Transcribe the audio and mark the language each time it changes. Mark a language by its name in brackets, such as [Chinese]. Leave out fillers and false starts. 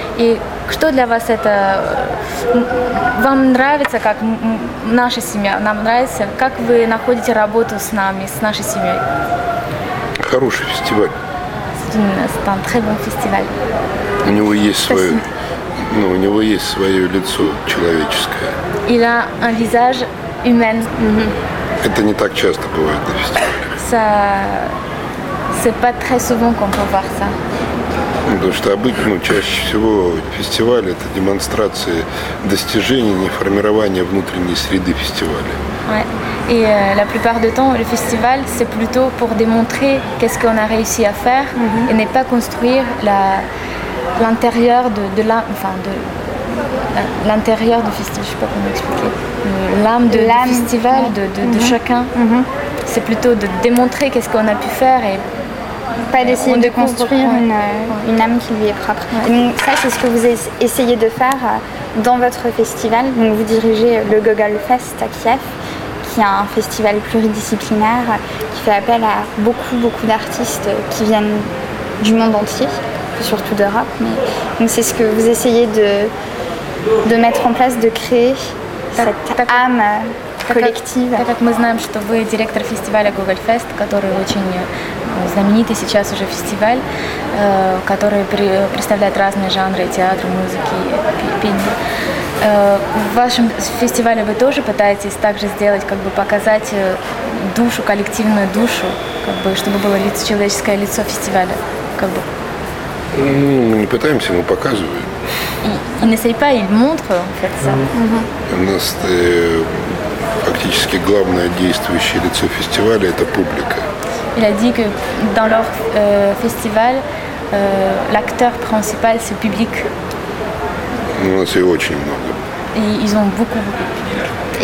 [Russian] И что для вас это? Вам нравится, как наша семья? Нам нравится? Как вы находите работу с нами, с нашей семьей? Хороший фестиваль. [French] C'est un très bon festival. [Russian] У него есть свое, Ну, у него есть свое лицо человеческое. [French] Il a un visage humain. [Russian] Это не так часто бывает на фестивале. [French] Ça... C'est pas très souvent qu'on peut voir ça. [Russian] Потому что обычно, чаще всего, фестиваль – это демонстрация достижений, не формирование внутренней среды фестиваля. Ouais. [French] Et la plupart du temps, le festival, c'est plutôt pour démontrer qu'est-ce qu'on a réussi à faire et ne pas construire l'intérieur de l'âme, enfin, de l'intérieur du festival, je ne sais pas comment expliquer, l'âme de l'âme, du festival, ouais. De chacun. C'est plutôt de démontrer qu'est-ce qu'on a pu faire et pas d'essayer de construire une âme qui lui est propre. Ouais. Donc, ça, c'est ce que vous essayez de faire dans votre festival. Donc, vous dirigez le Gogol Fest à Kiev, qui est un festival pluridisciplinaire qui fait appel à beaucoup, beaucoup d'artistes qui viennent du monde entier, surtout d'Europe. Mais... Donc, c'est ce que vous essayez de mettre en place, de créer cette âme. [Russian] Так как мы знаем, что вы директор фестиваля Google Fest, который очень знаменитый сейчас уже фестиваль, который представляет разные жанры театра, музыки, пения. В вашем фестивале вы тоже пытаетесь также сделать, как бы показать душу, коллективную душу, как бы, чтобы было лицо, человеческое лицо фестиваля? Как бы. Ну, мы не пытаемся, мы показываем. И не сей пай, иль мунтро, фэцца. У нас... Фактически главное действующее лицо фестиваля – это публика. [French] Il a dit que dans leur festival, l'acteur principal c'est public. [Russian] У нас ее очень много. [French] И ils ont beaucoup beaucoup.